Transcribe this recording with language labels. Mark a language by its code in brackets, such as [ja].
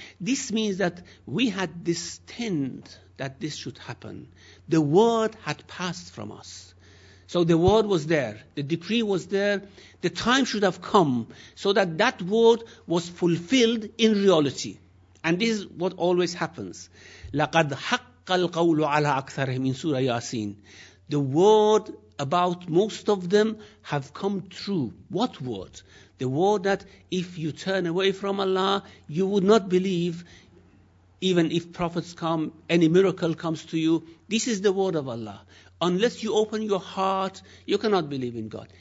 [en] This means that we had destined that this should happen. The word had passed from us. So the word was there, the decree was there, the time should have come so that that word was fulfilled in reality. And this is what always happens. [ar] لقد حق القول على أكثرهم من سورة ياسين. [en] The word about most of them have come true. What word? The word that if you turn away from Allah, you would not believe, even if prophets come, any miracle comes to you. This is the word of Allah. Unless you open your heart, you cannot believe in God.